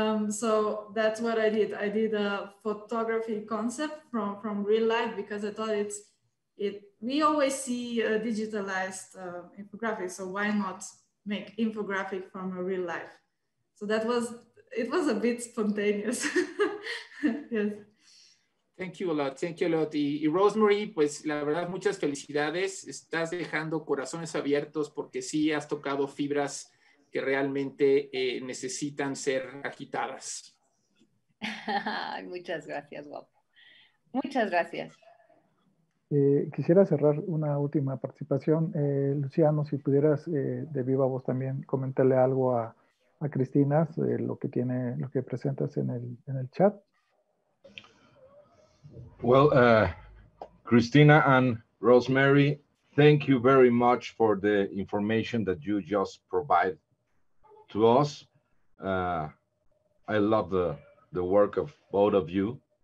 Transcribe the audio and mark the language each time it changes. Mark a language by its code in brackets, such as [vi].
[en] So that's what I did. I did a photography concept from real life because I thought we always see a digitalized infographic. So why not make infographic from a real life? So it was a bit spontaneous. Yes. Thank you a lot. [es] Y Rosemary, pues la verdad, muchas felicidades. Estás dejando corazones abiertos porque sí has tocado fibras que realmente necesitan ser agitadas. Muchas gracias, guapo. Muchas gracias. Quisiera cerrar una última participación. Luciano, si pudieras de viva voz también comentarle algo a Cristina, lo que presentas en el chat. [en] Well, Cristina and Rosemary, thank you very much for the information that you just provided to us. I love the work of both of you.